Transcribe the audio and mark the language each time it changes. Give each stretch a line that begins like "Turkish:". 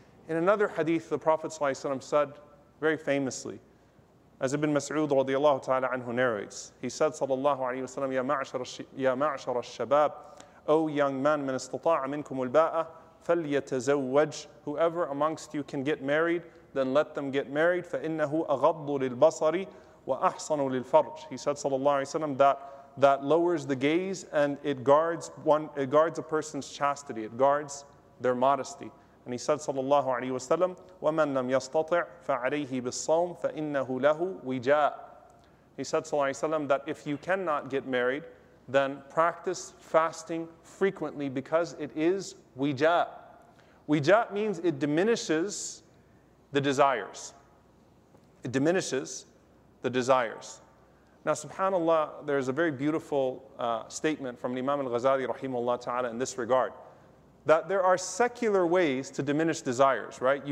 English: In another hadith, the Prophet ﷺ said very famously, as Ibn Mas'ud radiallahu ta'ala anhu narrates, he said, sallallahu alayhi wa sallam,
Arabic: ya ma'ashara al-shabab,
English: O young man,
Arabic: man istata'a minkum al-ba'a, falyatazawwaj,
English: whoever amongst you can get married, then let them get married,
Arabic: fa'innahu aghaddu lil-basari wa ahsanu lil-farj.
English: He said, sallallahu alayhi wa sallam, that lowers the gaze and it guards a person's chastity, it guards their modesty. And he said,
Arabic: sallallahu alayhi wa sallam, وَمَنْ لَمْ يَسْتَطِعْ فَعَلَيْهِ بِالصَّوْمِ فَإِنَّهُ لَهُ وِجَاءَ.
English: He said, sallallahu alayhi wa sallam, that if you cannot get married, then practice fasting frequently because it is wijaa. Wijaa means it diminishes the desires. It diminishes the desires. Now, subhanAllah, there's a very beautiful statement from Imam al-Ghazali, rahimahullah ta'ala, in this regard, that there are secular ways to diminish desires, right?